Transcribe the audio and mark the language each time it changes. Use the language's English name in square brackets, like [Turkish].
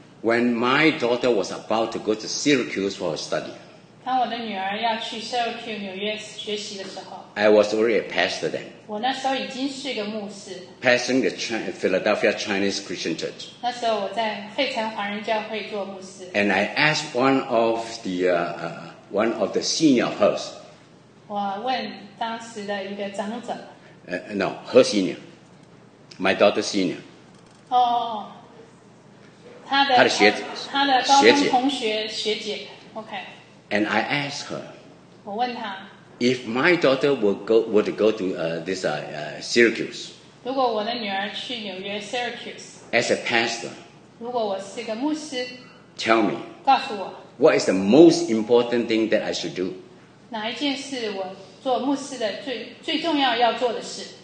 [English] When my daughter was about to go to Syracuse for her study, [Chinese] 当我的女儿要去 Syracuse 纽约学习的时候 [English] ，I was already a pastor then. [Chinese] 我那时候已经是一个牧师 [English] ，pastoring the Philadelphia Chinese Christian Church. [Chinese] 那时候我在费城华人教会做牧师。 [English] And I asked one of the senior of hers. [Chinese] 我问当时的一个长者。 [English] No, her senior, my daughter's senior. [Chinese] 哦，她的学姐，她的高中同学学姐 ，OK。 [English] And I asked her, [Chinese] 我问她, [English] if my daughter were to go to Syracuse, [Chinese] 如果我的女儿去纽约 Syracuse, [English] as a pastor, [Chinese] 如果我是个牧师, [English] tell me, [Chinese] 告诉我, [English] what is the most important thing that I should do? [Chinese] 哪一件事我做牧师的最重要要做的事?